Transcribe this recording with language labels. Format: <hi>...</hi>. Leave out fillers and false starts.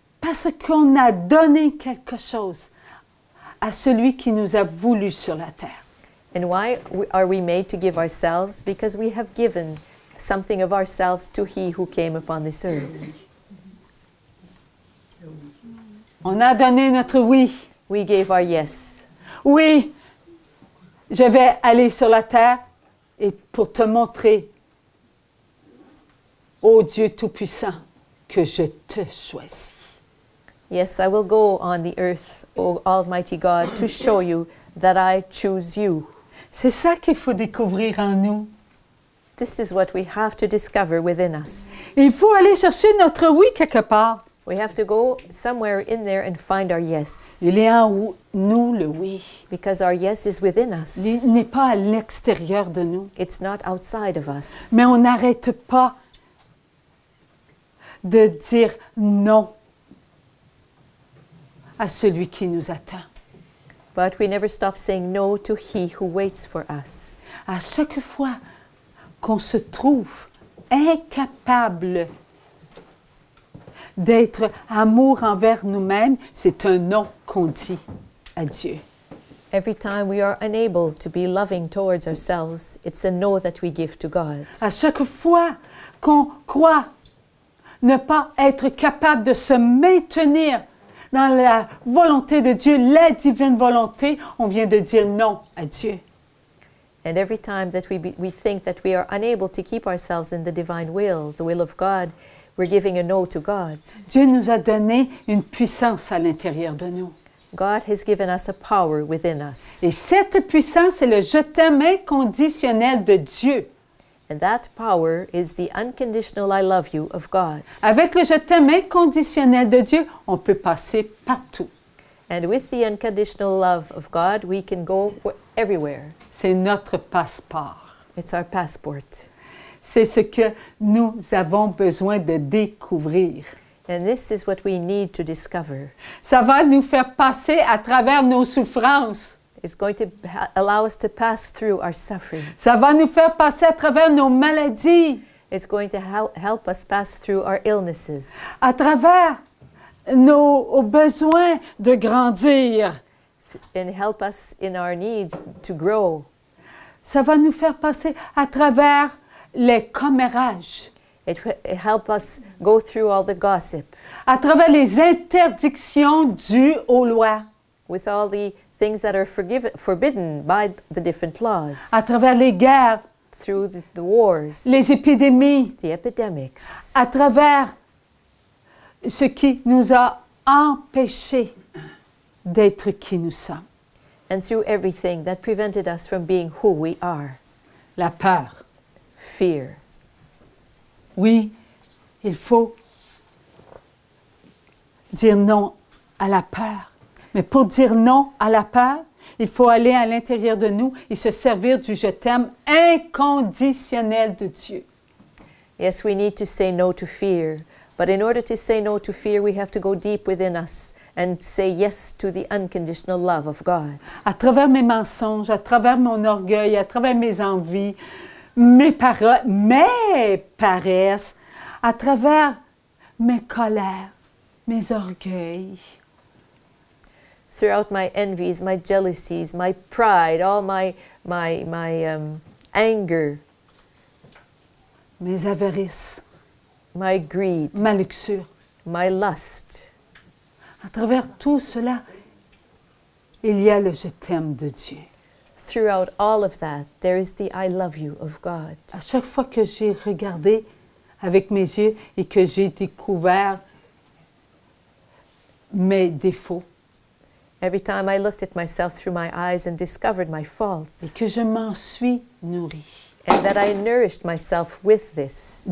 <fr>Parce qu'on a donné quelque chose à celui qui nous a voulu sur la terre.</fr> <en>And why are we made to give ourselves? Because we have given something of ourselves to he who came upon this earth.</en> <fr>On a donné notre oui.</fr> <en>We gave our yes.</en> <fr>Oui, je vais aller sur la terre et pour te montrer, ô Dieu Tout-Puissant, que je te choisis.</fr> <en>Yes, I will go on the earth, O Almighty God, to show you that I choose you.</en> <fr>C'est ça qu'il faut découvrir en nous.</fr> <en>This is what we have to discover within us.</en> <fr>Il faut aller chercher notre oui quelque part.</fr> <en>We have to go somewhere in there and find our yes.</en> <fr>Il est en nous, le oui.</fr> <en>Because our yes is within us.</en> <fr>Il n'est pas à l'extérieur de nous.</fr> <en>It's not outside of us.</en> <fr>Mais on n'arrête pas de dire non à celui qui nous attend.</fr> <en>But we never stop saying no to he who waits for us.</en> <fr>À chaque fois qu'on se trouve incapable d'être amour envers nous-mêmes, c'est un non qu'on dit à Dieu.</fr> <en>Every time we are unable to be loving towards ourselves, it's a no that we give to God.</en> <fr>À chaque fois qu'on croit ne pas être capable de se maintenir dans la volonté de Dieu, la divine volonté, on vient de dire non à Dieu.</fr> <en>And every time that we think that we are unable to keep ourselves in the divine will, the will of God, we're giving a no to God.</en> <fr>Dieu nous a donné une puissance à l'intérieur de nous.</fr> <en>God has given us a power within us.</en> <fr>Et cette puissance est le je t'aime inconditionnel de Dieu.</fr> <en>And that power is the unconditional I love you of God.</en> <fr>Avec le je t'aime inconditionnel de Dieu, on peut passer partout.</fr> <en>And with the unconditional love of God, we can go everywhere.</en> <fr>C'est notre passeport.</fr> <en>It's our passport.</en> <fr>C'est ce que nous avons besoin de découvrir.</fr> <en>And this is what we need to discover.</en> <fr>Ça va nous faire passer à travers nos souffrances.</fr> <en>It's going to allow us to pass through our suffering.</en> <fr>Ça va nous faire passer à travers nos maladies.</fr> <en>It's going to help us pass through our illnesses.</en> <fr>À travers nos besoins de grandir.</fr> <en>And help us in our needs to grow.</en> <fr>Ça va nous faire passer à travers les commérages.</fr> <en>It help us go through all the gossip.</en> <fr>À travers les interdictions dues aux lois.</fr> <en>With all the things that are forbidden by the different laws.</en> <fr>À travers les guerres.</fr> <en>Through the wars.</en> <fr>Les épidémies.</fr> <en>The epidemics.</en> <fr>À travers ce qui nous a empêchés d'être qui nous sommes.</fr> <en>And through everything that prevented us from being who we are.</en> <fr>La peur.</fr> <en>Fear.</en> <fr>Oui, il faut dire non à la peur. Mais pour dire non à la peur, il faut aller à l'intérieur de nous et se servir du je t'aime inconditionnel de Dieu.</fr> <en>Yes, we need to say no to fear. But in order to say no to fear, we have to go deep within us and say yes to the unconditional love of God.</en> <fr>À travers mes mensonges, à travers mon orgueil, à travers mes envies, mes paresses, à travers mes colères, mes orgueils.</fr> <en>Throughout my envies, my jealousies, my pride, all my anger.</en> <fr>Mes avarices.</fr> <en>My greed.</en> <fr>Ma luxure.</fr> <en>My lust.</en> <fr>À travers tout cela, il y a le je t'aime de Dieu.</fr> <en>Throughout all of that, there is the I love you of God.</en> <fr>À chaque fois que j'ai regardé avec mes yeux et que j'ai découvert mes défauts.</fr> <en>Every time I looked at myself through my eyes and discovered my faults.</en> <fr>Et que je m'en suis nourrie.</fr> <en>And that I nourished myself with this.</en>